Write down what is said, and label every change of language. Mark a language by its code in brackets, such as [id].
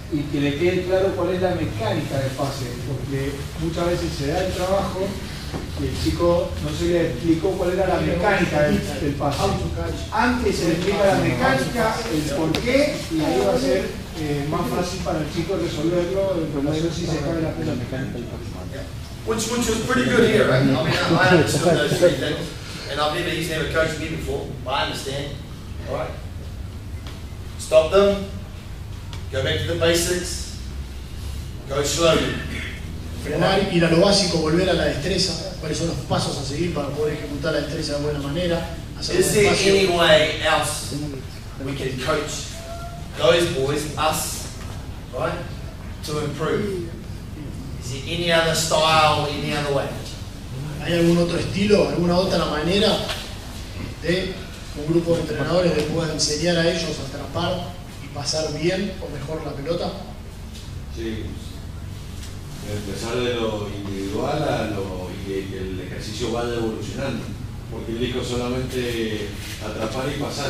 [es] Y que le quede claro cuál es la mecánica del pase, porque muchas veces se da el trabajo y el chico no se le explicó cuál era la mecánica del pase. Antes se le explica la mecánica, el por qué, y ahí va a ser más fácil para el chico resolverlo, pero no sé si se cabe la pena mecánica del pase. [en] Which is pretty good here, right? I mean, I understand those three things. And I've never used to have a coach me before, but I understand. Alright. Stop them. Go back to the basics. Go slowly. [es] Frenar, ir a lo básico, volver a la destreza. ¿Cuáles son los pasos a seguir para poder ejecutar la destreza de buena manera? [en] Is there any way else we can coach those boys, us, right, to improve? Is there any other style, any other way? [es] ¿Hay algún otro estilo, alguna otra manera de un grupo de entrenadores que pueda enseñar a ellos a atrapar? ¿Pasar bien o mejor la pelota? Sí. Empezar de lo individual a lo. Y el ejercicio vaya evolucionando. Porque él dijo solamente atrapar y pasar.